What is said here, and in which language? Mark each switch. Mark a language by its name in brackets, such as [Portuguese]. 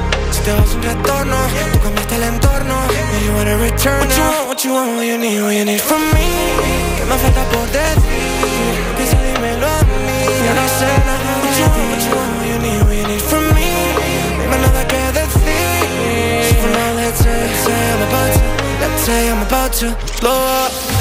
[Spanish] Si te vas un retorno, tú cambiaste el entorno. [English] Now you wanna return. What you want, what you need from me. [Spanish] Que me falta por decir, piensa dímelo a mí. Ya no sé nada de ti. [English] What you want, what you need from me. [Spanish] Dime nada que decir. [English] For now, let's say I'm about to. Let's say I'm about to blow up.